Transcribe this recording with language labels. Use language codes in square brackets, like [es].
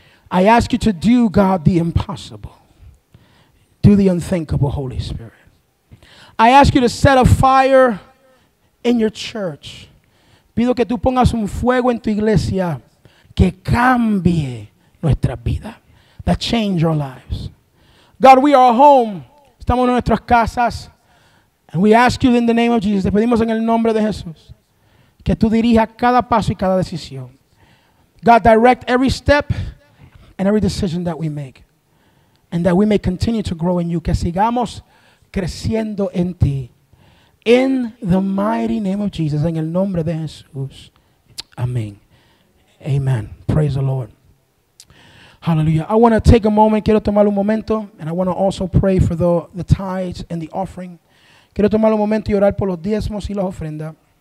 [en] I ask you to do, God, the impossible. Do the unthinkable, Holy Spirit. I ask you to set a fire in your church. [es] Pido que tú pongas un fuego en tu iglesia que cambie nuestra vida. [en] That change our lives. God, we are home. [es] Estamos en nuestras casas. [en] And we ask you in the name of Jesus. [es] Te pedimos en el nombre de Jesús que tú dirijas cada paso y cada decisión. [en] God, direct every step and every decision that we make. And that we may continue to grow in you. [es] Que sigamos creciendo en ti. [en] In the mighty name of Jesus, [es] en el nombre de Jesús, amén. [en] Amen. Praise the Lord. Hallelujah. I want to take a moment. [es] Quiero tomar un momento. [en] And I want to also pray for the tithes and the offering. [es] Quiero tomar un momento y orar por los diezmos y las ofrendas.